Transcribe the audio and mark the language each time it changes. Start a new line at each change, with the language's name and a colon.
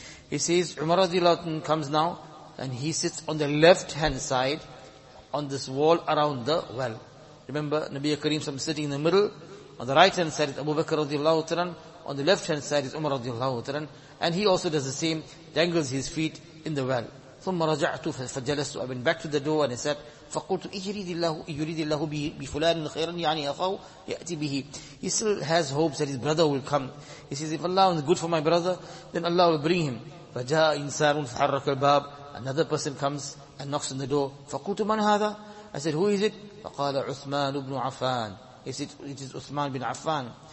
English: He says, Umar radiallahu anhu comes now and he sits on the left hand side on this wall around the well. Remember, Nabiya Kareem is sitting in the middle. On the right hand side is Abu Bakr radiallahu anhu. On the left hand side is Umar radiallahu anhu. And he also does the same, dangles his feet in the well.
Arabic: ثُمَّ رَجَعْتُ فَجَلَسْتُ.
English: I went back to the door and I said,
Arabic: فَقُلْتُ إِيُرِيدِ اللَّهُ بِفُلَانٍ خَيْرًا يَعْنِي أَخَوْ يَأْتِ بِهِ.
English: He still has hopes that his brother will come. He says, if Allah is good for my brother, then Allah will bring him.
Arabic: فَجَاءَ إِنسَانٌ فَحَرَّكَ الْبَابَ.
English: Another person comes and knocks on the door.
Arabic: فَقُلْتُ مَنْ هَذَا.
English: I said, who is it?
Arabic: فَقَالَ عُثْمَانُ بْنُ عَفَانٍ.
English: He said, it is Uthman bin Affan.